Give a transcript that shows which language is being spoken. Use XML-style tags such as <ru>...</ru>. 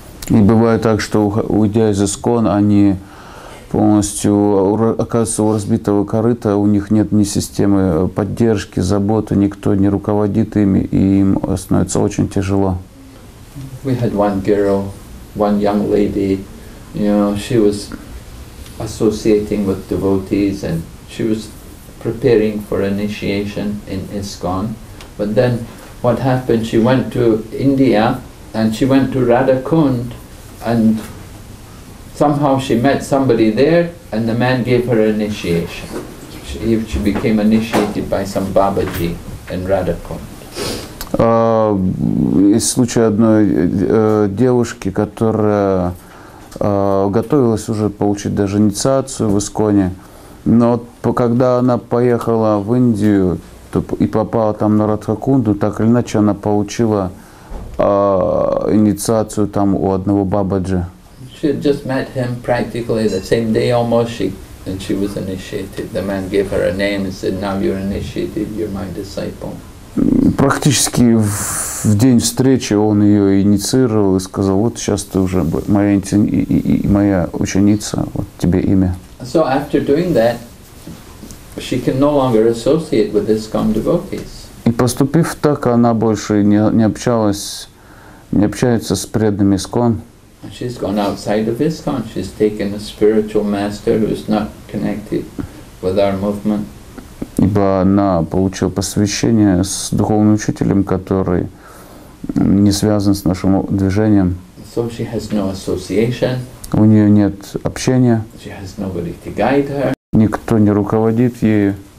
<ru>И бывает так, что уйдя из ИСКОН, они полностью оказываются у разбитого корыта, у них нет ни системы поддержки, заботы, никто не руководит ими, и им становится очень тяжело.</ru> <en>We had one girl, one young lady, you know, she was associating with devotees and she was preparing for initiation in ISKCON. But then what happened? She went to India. And she went to Radha Kund, and somehow she met somebody there, and the man gave her initiation. She became initiated by some Babaji in Radha Kund.</en> <ru>Из случая одной девушки, которая готовилась уже получить даже инициацию в ИСКОНе, но когда она поехала в Индию и попала там на Радха Кунду, так или иначе она получила инициацию там у одного бабаджи.</ru> <en>She had just met him practically the same day almost, and she was initiated. The man gave her a name and said, now you're initiated, you're my disciple.</en> <ru>Практически в день встречи он ее инициировал и сказал, вот сейчас ты уже моя ученица, вот тебе имя.</ru> <en>So after doing that, she can no longer associate with this scum devotees.</en> <ru>И поступив так, она больше не общается с преданными скон.</ru> <en>She's gone outside of ISKCON. She's taken a spiritual master who is not connected with our movement.</en> <ru>Ибо она получила посвящение с духовным учителем, который не связан с нашим движением.</ru> <en>So she has no association.</en> <ru>У нее нет общения.</ru> <en>She has nobody to guide her.</en> <ru>Никто не руководит ею.</ru>